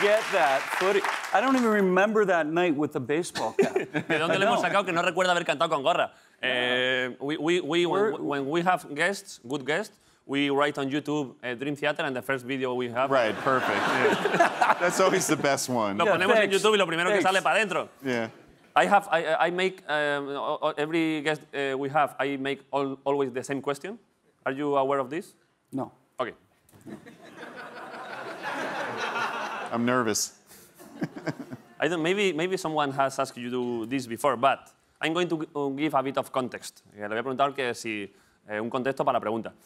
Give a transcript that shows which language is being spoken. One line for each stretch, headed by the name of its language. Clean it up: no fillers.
English: I don't even remember that night with the baseball cap.
Spanish: ¿De dónde le hemos sacado que no recuerda haber cantado con gorra?
English: When we have guests, good guests, we write on YouTube Dream Theater and the first video we have. Right, perfect. Yeah. That's always the best one.
Spanish: Lo ponemos en YouTube y lo primero que sale para adentro.
English: Yeah. I make every guest we have, I make always the same question. Are you aware of this? No. Okay. I'm nervous. I don't. Maybe someone has asked you to do this before, but I'm going to give a bit of context.
Spanish: Le voy a preguntar que si un contexto para la pregunta.